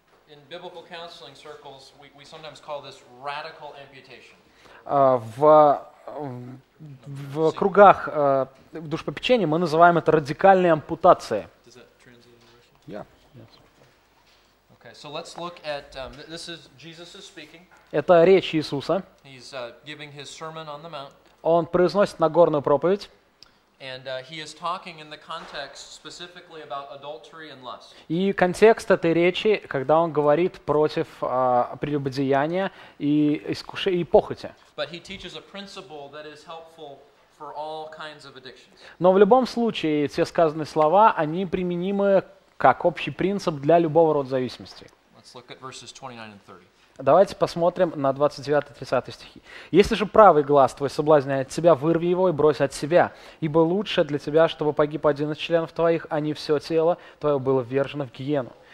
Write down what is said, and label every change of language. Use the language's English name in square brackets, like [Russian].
[English] In biblical counseling circles, we sometimes call this radical amputation. [Russian] В кругах душепопечения мы называем это радикальной ампутацией. [English] Does that translate in Russian? Yeah. So let's look at this is Jesus is speaking. [Russian] Это речь Иисуса. [English] He's giving his sermon on the mount. [Russian] Он произносит Нагорную проповедь. [English] And he is talking in the context specifically about adultery and lust. [Russian] И контекст этой речи, когда он говорит против прелюбодеяния и искушения и похоти. [English] But he teaches a principle that is helpful for all kinds of addictions. [Russian] Но в любом случае все сказанные слова, они применимы как общий принцип для любого рода зависимости. [English] Let's look at verses 29 and 30. [Russian] Давайте посмотрим на 29-30 стихи. «Если же правый глаз твой соблазняет тебя, вырви его и брось от себя, ибо лучше для тебя, чтобы погиб один из членов твоих, а не все тело твое было ввержено в гиену.